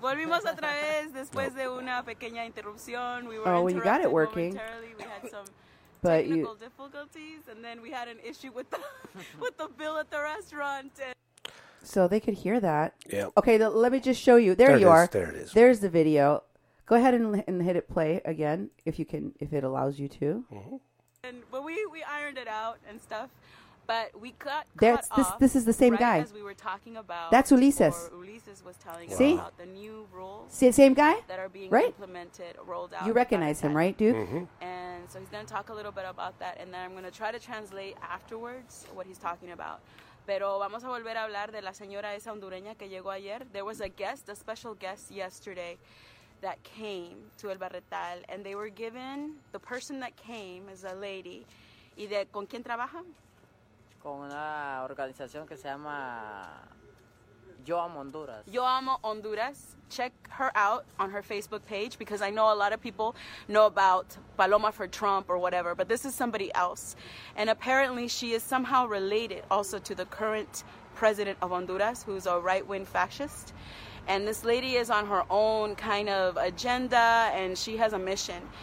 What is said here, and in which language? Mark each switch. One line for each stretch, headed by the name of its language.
Spanish: Volvimos otra vez después de una pequeña interrupción.
English: We were interrupted. You got it working. We had some technical difficulties, and then we had an issue with the bill at the restaurant. So they could hear that. Yeah. Okay, let me just show you. There you are. There it is. There's the video. Go ahead and hit it play again if it allows you to. Mm-hmm. But we ironed it out and stuff. But we cut that's, off. This is the same right guy. As we were talking about. That's Ulises. Ulises was telling us about the new rules. See, same guy? That are being implemented, rolled out. You recognize him, right, Duke? Mm-hmm. And so he's going to talk a little bit about that. And then I'm going to try to translate afterwards what he's talking about.
Spanish: Pero vamos a volver a hablar de la señora esa hondureña que llegó ayer.
English: There was a special guest yesterday that came to El Barretal. And they were given, the person that came is a lady.
Spanish: ¿Y de con quién trabaja? Con una organización que se llama Yo Amo Honduras. Yo Amo Honduras.
English: Check her out on her Facebook page, because I know a lot of people know about Paloma for Trump or whatever, but this is somebody else. And apparently she is somehow related also to the current president of Honduras, who's a right-wing fascist. And this lady is on her own kind of agenda, and she has a mission.